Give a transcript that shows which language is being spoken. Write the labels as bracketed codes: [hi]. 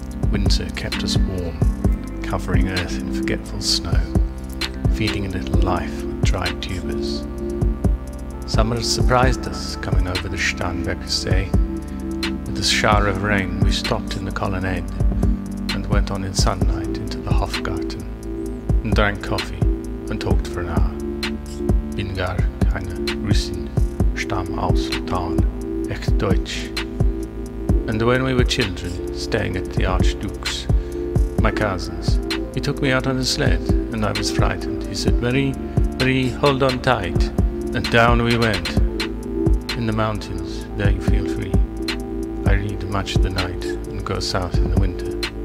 [en] Winter kept us warm, covering earth in forgetful snow, feeding a little life with dried tubers. Summer surprised us, coming over the Starnbergsee. With a shower of rain, we stopped in the colonnade and went on in sunlight into the Hofgarten and drank coffee and talked for an hour. [de] Bin gar keine Russin, stamm aus Litauen, echt Deutsch. [en] And when we were children, staying at the Archduke's, my cousin's, he took me out on a sled, and I was frightened. He said, Marie, Marie, hold on tight. And down we went. In the mountains, there you feel free. I read much of the night and go south in the winter.